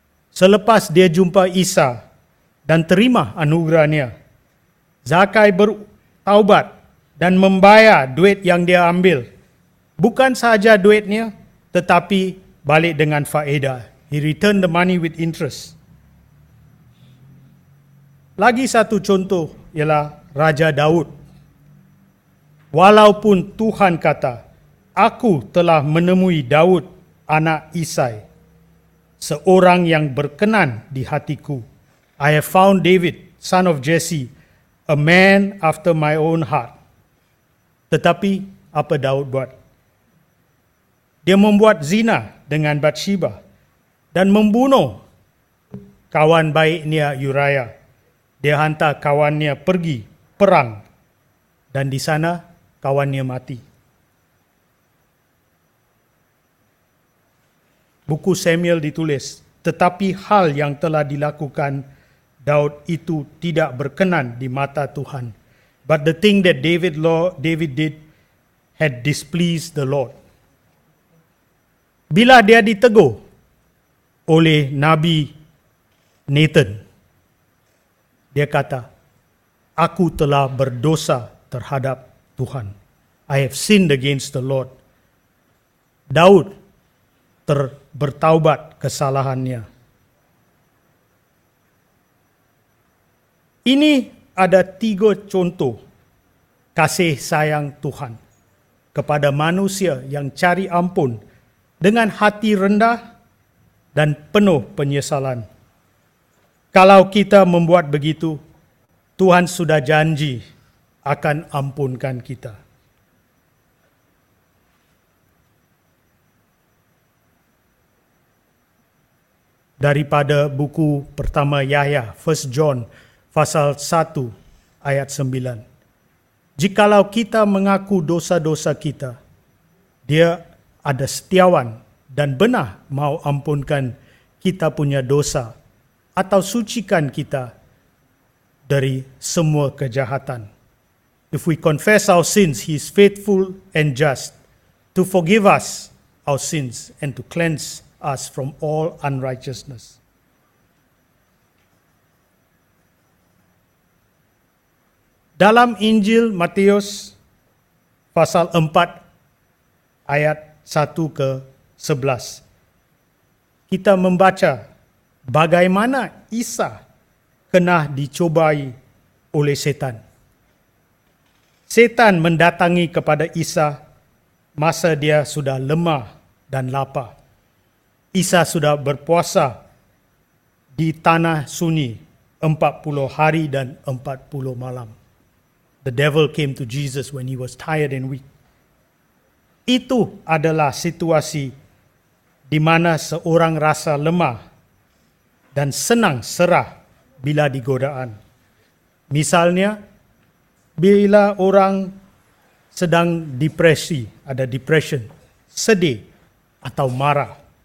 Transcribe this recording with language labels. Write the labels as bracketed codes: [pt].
[ms] Selepas dia jumpa Isa dan terima anugerahnya, Zakai bertaubat dan membayar duit yang dia ambil. Bukan sahaja duitnya, tetapi balik dengan faedah. [en] He returned the money with interest. [ms] Lagi satu contoh ialah Raja Daud. Walaupun Tuhan kata, aku telah menemui Daud, anak Isai, seorang yang berkenan di hatiku. [en] I have found David, son of Jesse, a man after my own heart. [ms] Tetapi apa Daud buat? Dia membuat zina dengan Bathsheba dan membunuh kawan baiknya Uriah. Dia hantar kawannya pergi perang dan di sana kawannya mati. Buku Samuel ditulis, tetapi hal yang telah dilakukan Daud itu tidak berkenan di mata Tuhan. [en] But the thing that David did had displeased the Lord. [ms] Bila dia ditegur oleh Nabi Nathan, dia kata, aku telah berdosa terhadap Tuhan. [en] I have sinned against the Lord. [ms] Daud bertaubat kesalahannya. Ini ada tiga contoh kasih sayang Tuhan kepada manusia yang cari ampun dengan hati rendah dan penuh penyesalan. Kalau kita membuat begitu, Tuhan sudah janji akan ampunkan kita. Daripada buku pertama Yahya, 1 John pasal 1 ayat 9. Jikalau kita mengaku dosa-dosa kita, dia ada setiawan dan benar mau ampunkan kita punya dosa atau sucikan kita dari semua kejahatan. [en] If we confess our sins, he is faithful and just to forgive us our sins and to cleanse us from all unrighteousness. [ms] Dalam Injil Matius pasal 4 ayat 1 ke 11 kita membaca bagaimana Isa kena dicobai oleh setan. Setan mendatangi kepada Isa masa dia sudah lemah dan lapar. Isa sudah berpuasa di tanah sunyi 40 hari dan 40 malam. [en] The devil came to Jesus when he was tired and weak. [ms] Itu adalah situasi di mana seorang rasa lemah dan senang serah bila digodaan. Misalnya, bila orang sedang depresi, ada depression, sedih atau marah.